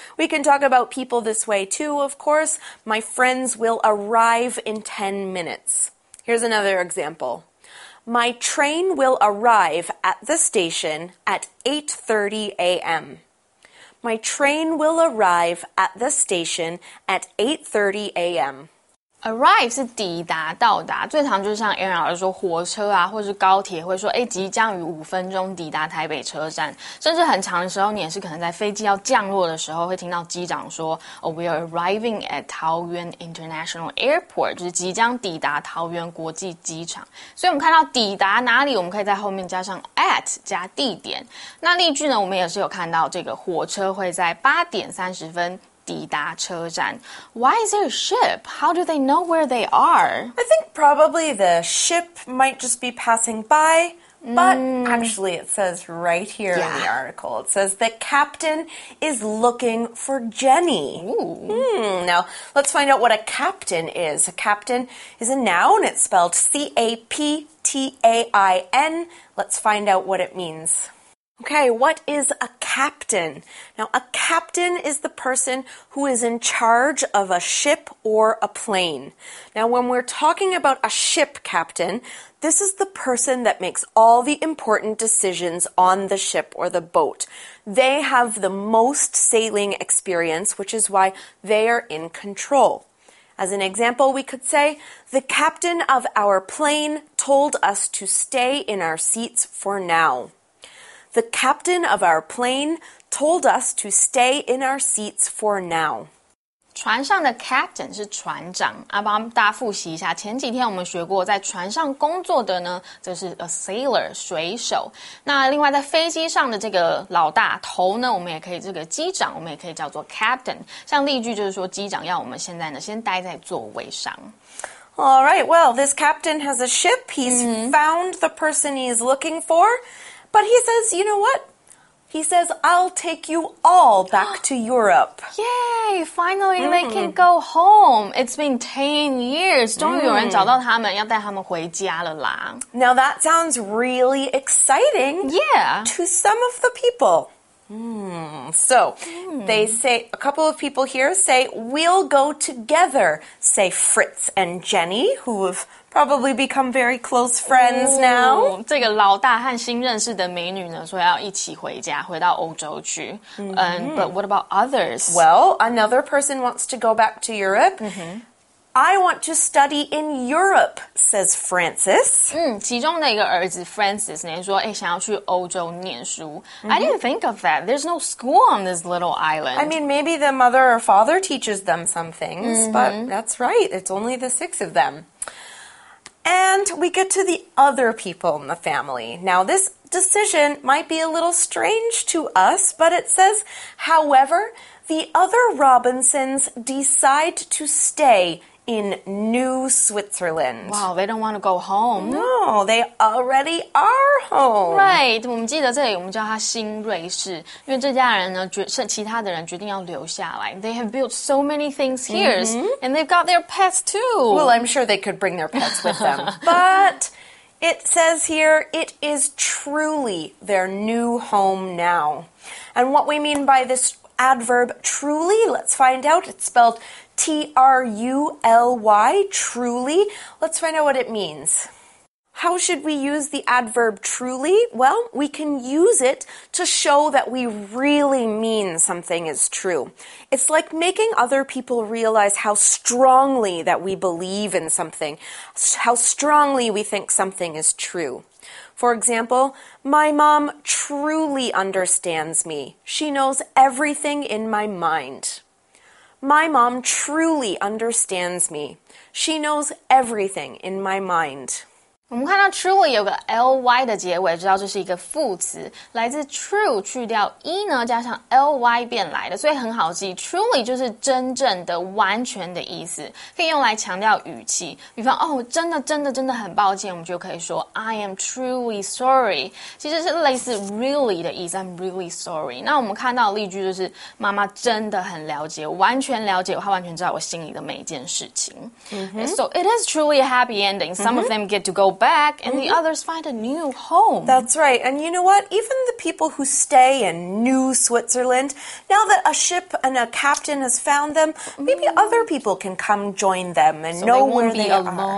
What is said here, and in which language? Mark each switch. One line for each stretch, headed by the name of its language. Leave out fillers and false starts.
English: We can talk about people this way too, of course. My friends will arrive in 10 minutes. Here's another example. My train will arrive at the station at 8:30 a.m. My train will arrive at the station at 8:30 a.m.
Chinese: Arrive 是抵达到达，最常就是像 Aaron 老师说火车啊，或是高铁会说，即将于五分钟抵达台北车站，甚至很长的时候你也是可能在飞机要降落的时候会听到机长说
English: Oh, we are arriving at 桃园 International Airport,
Chinese: 就是即将抵达桃园国际机场。所以我们看到抵达哪里，我们可以在后面加上 at 加地点。那例句呢，我们也是有看到这个火车会在8点30分抵达车站。
English: Why is there a ship? How do they know where they are? I think probably the ship might just be passing by, but actually it says right here in the article. It says the captain is looking for Jenny. Now, let's find out what a captain is. A captain is a noun. It's spelled C-A-P-T-A-I-N. Let's find out what it means. Okay, what is a captain? Now, a captain is the person who is in charge of a ship or a plane. Now, when we're talking about a ship captain, this is the person that makes all the important decisions on the ship or the boat. They have the most sailing experience, which is why they are in control. As an example, we could say, the captain of our plane told us to stay in our seats for now. The captain of our plane told us to stay in our seats for now.
Chinese: 船上的 captain 是船长，帮大家复习一下，前几天我们学过在船上工作的呢，就是
English: a sailor,
Chinese: 水手。那另外在飞机上的这个老大头呢，我们也可以这个机长，我们也可以叫做 captain。像例句就是说，机长要我们现在呢，先待在座位上。
English: All right, well, this captain has a ship. He's found the person he is looking for. But he says, you know what? He says, I'll take you all back to Europe. Yay! Finally, they can go home. It's been 10 years.
Chinese: 终于有人找到他们，要带他们回家了啦。
English: Now that sounds really exciting to some of the people. They say, a couple of people here say, we'll go together, say Fritz and Jenny, who have... Probably become very close friends now.
Chinese: 这个老大和新认识的美女呢，说要一起回家，回到欧洲去。
English: But what about others? Well, another person wants to go back to Europe. I want to study in Europe, says Francis.
Chinese: 其中的一个儿子 Francis 呢说，想要去欧洲念书。
English: I didn't think of that. There's no school on this little island. I mean, maybe the mother or father teaches them some things, but that's right. It's only the six of them. And we get to the other people in the family. Now, this decision might be a little strange to us, but it says, however, the other Robinsons decide to stay in New Switzerland. Wow, they don't want to go home. No, they already are home.
Chinese: Right, 我们记得这里我们叫他新瑞士，因为这家人呢，其他的人决定要留下来。
English: They have built so many things here, and they've got their pets too. Well, I'm sure they could bring their pets with them. But it says here, it is truly their new home now. And what we mean by this adverb truly, let's find out. It's spelled... T-R-U-L-Y, truly. Let's find out what it means. How should we use the adverb truly? Well, we can use it to show that we really mean something is true. It's like making other people realize how strongly that we believe in something, how strongly we think something is true. For example, my mom truly understands me. She knows everything in my mind. My mom truly understands me. She knows everything in my mind.
Chinese: 我们看到 truly 有个 ly 的结尾，知道这是一个副词，来自 true 去掉 e 呢，加上 ly 变来的，所以很好记。 Truly 就是真正的、完全的意思，可以用来强调语气。比方，真的、真的、真的很抱歉，我们就可以说
English: I am truly sorry.
Chinese: 其实是类似 really 的意思 ，
English: I'm really sorry.
Chinese: 那我们看到的例句就是妈妈真的很了解，完全了解，她完全知道我心里的每一件事情。
English: So it is truly a happy ending. Some of them get to go back and the others find a new home. That's right. And you know what? Even the people who stay in New Switzerland, now that a ship and a captain has found them, maybe other people can come join them and know where they are.